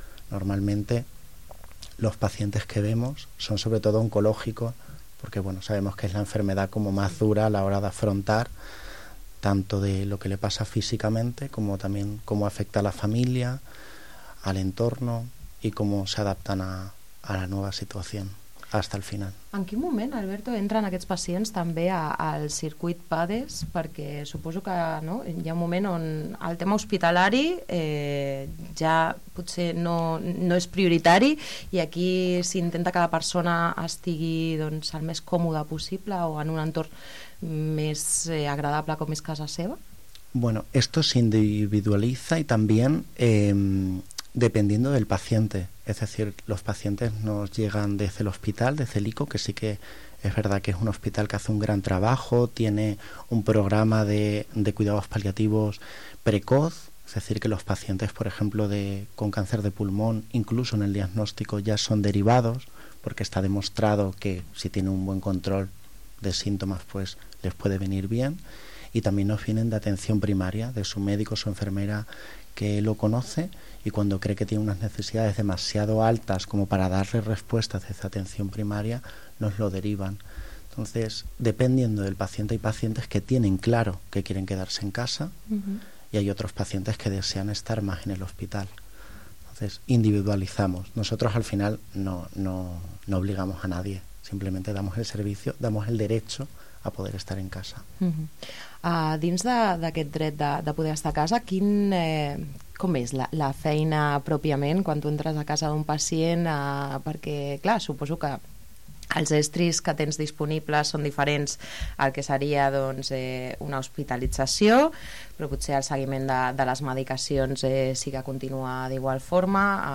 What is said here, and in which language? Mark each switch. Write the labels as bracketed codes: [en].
[es] Normalmente los pacientes que vemos son sobre todo oncológicos, porque bueno, sabemos que es la enfermedad como más dura a la hora de afrontar tanto de lo que le pasa físicamente como también cómo afecta a la familia, al entorno y cómo se adaptan a la nueva situación hasta el final. [ca] En quin moment, Alberto, entren aquests pacients també al circuit PADES? Perquè suposo que no, hi ha un moment on el tema hospitalari ja potser no és prioritari i aquí s'intenta que la persona estigui doncs, el més còmode possible o en un entorn més agradable com és casa seva? [es] Bueno, esto se individualiza y también dependiendo del paciente. Es decir, los pacientes nos llegan desde el hospital, desde el ICO, que sí que es verdad que es un hospital que hace un gran trabajo, tiene un programa de cuidados paliativos precoz, es decir, que los pacientes, por ejemplo, con cáncer de pulmón, incluso en el diagnóstico, ya son derivados, porque está demostrado que si tiene un buen control de síntomas, pues les puede venir bien. Y también nos vienen de atención primaria, de su médico, su enfermera, que lo conoce y cuando cree que tiene unas necesidades demasiado altas como para darle respuestas desde atención primaria, nos lo derivan. Entonces, dependiendo del paciente, hay pacientes que tienen claro que quieren quedarse en casa y hay otros pacientes que desean estar más en el hospital. Entonces, individualizamos. Nosotros al final no obligamos a nadie, simplemente damos el servicio, damos el derecho a poder estar en casa. [ca] Dins d'aquest dret de poder estar a casa, com és la feina pròpiament quan tu entres a casa d'un pacient? Perquè, clar, suposo que els estris que tens disponibles són diferents al que seria doncs, una hospitalització, però potser el seguiment de les medicacions sí que continua d'igual forma.